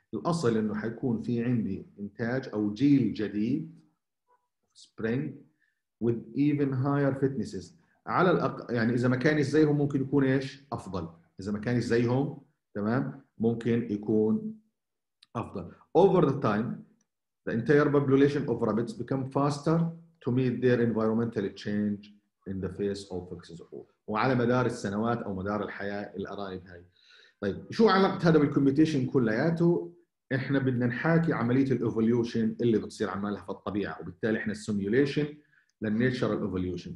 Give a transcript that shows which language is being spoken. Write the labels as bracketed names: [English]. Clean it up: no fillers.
[Arabic] الاصل انه حيكون في عندي انتاج او جيل جديد [English] offspring with even higher fitnesses، [Arabic] على الاقل يعني اذا ما كانش زيهم ممكن يكون ايش افضل، إذا ما كانش زيهم تمام ممكن يكون أفضل. [English] Over the time the entire population of rabbits become faster to meet their environmental change in the face of fixes. [Arabic] وعلى مدار السنوات أو مدار الحياة الأرانب هاي. طيب شو علاقة هذا بالcommutation كلياته؟ إحنا بدنا نحاكي عملية الإيفوليوشن اللي بتصير عمالها في الطبيعة، وبالتالي إحنا السيموليشن للناتشرال إيفوليوشن.